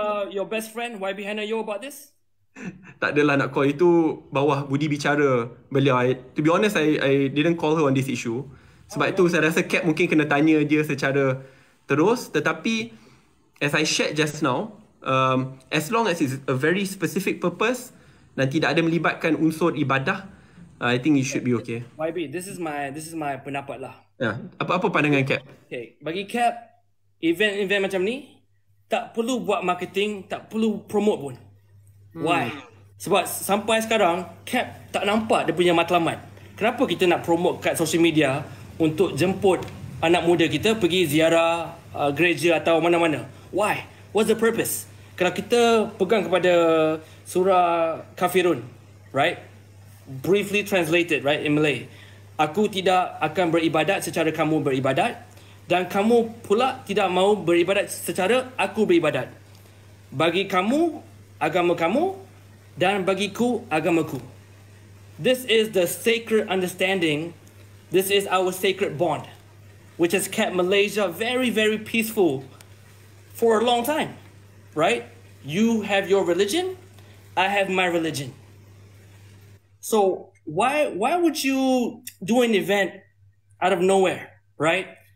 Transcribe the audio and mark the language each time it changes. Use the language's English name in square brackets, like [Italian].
[English] Your best friend YB Hannah Yeo about this? [Malay] Tak adalah nak call, itu bawah budi bicara beliau. [English] To be honest, I didn't call her on this issue. [Malay] Sebab itu saya rasa Cap mungkin kena tanya dia secara terus. Tetapi [English] as I shared just now, as long as it's a very specific purpose [Malay] dan tidak ada melibatkan unsur ibadah, [English] I think it should be okay. YB, this is my pendapat lah. [Malay] Yeah. Apa pandangan Cap? Okay, bagi Cap, event macam ni tak perlu buat marketing, tak perlu promote pun. [English] Why? [Malay] Sebab sampai sekarang Cap tak nampak dia punya matlamat. Kenapa kita nak promote kat social media untuk jemput anak muda kita pergi ziarah gereja atau mana-mana? [English] Why? What's the purpose? [Malay] Kalau kita pegang kepada surah Kafirun, right? [English] Briefly translated, right, in Malay. [Malay] Aku tidak akan beribadat secara kamu beribadat, dan kamu pula tidak mau beribadat secara aku beribadat. Bagi kamu agama kamu, dan bagiku agamaku. [English] This is the sacred understanding. This is our sacred bond, which has kept Malaysia very, very peaceful for a long time, right? You have your religion, I have my religion. So why would you do an event out of nowhere, right?